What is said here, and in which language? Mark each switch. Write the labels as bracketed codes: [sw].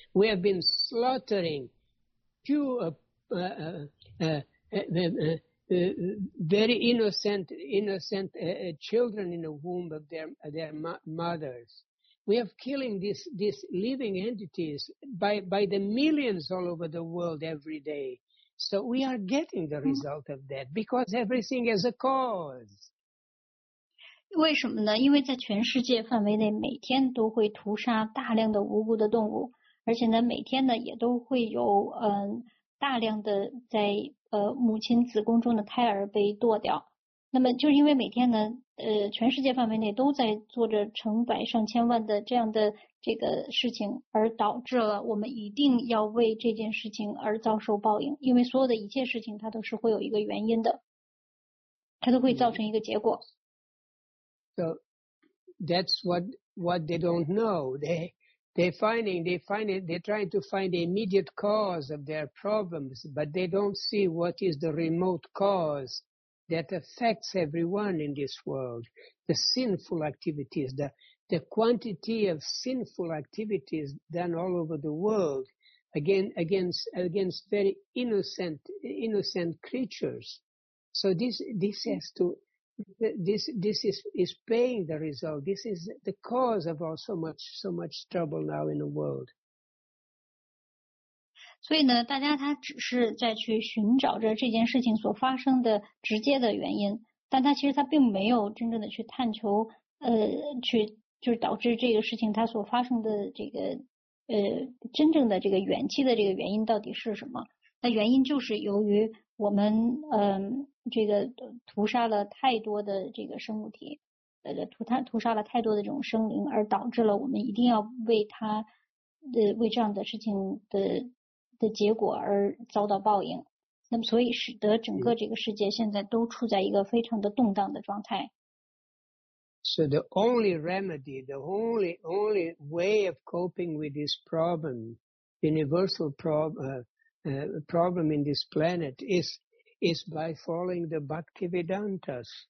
[en] We have been slaughtering very innocent children in the womb of their mothers. We have killing these living entities by the millions all over the world every day. So we are getting the result of that because everything has a cause. [zh] 为什么呢？因为在全世界范围内，每天都会屠杀大量的无辜的动物，而且呢，每天呢也都会有大量的在母亲子宫中的胎儿被剁掉。那么就是因为每天呢，全世界范围内都在做着成百上千万的这样的这个事情，而导致了我们一定要为这件事情而遭受报应。因为所有的一切事情，它都是会有一个原因的，它都会造成一个结果。 [en] So that's what they don't know. They're trying to find the immediate cause of their problems, but they don't see what is the remote cause that affects everyone in this world. The sinful activities, the quantity of sinful activities done all over the world against very innocent creatures. So this has to... This is paying the result. This is the cause of all so much trouble now in the world. [zh] 所以呢，大家他只是在去寻找着这件事情所发生的直接的原因，但他其实他并没有真正的去探求，去就是导致这个事情它所发生的这个真正的这个元气的这个原因到底是什么？那原因就是由于我们这个屠杀了太多的这个生物体，屠杀了太多的这种生灵，而导致了我们一定要为它为这样的事情的结果而遭到报应。那么所以使得整个这个世界现在都处在一个非常的动荡的状态。 [en] So the only remedy, the only way of coping with this problem, universal problem in this planet is is by following the Bhaktivedantas.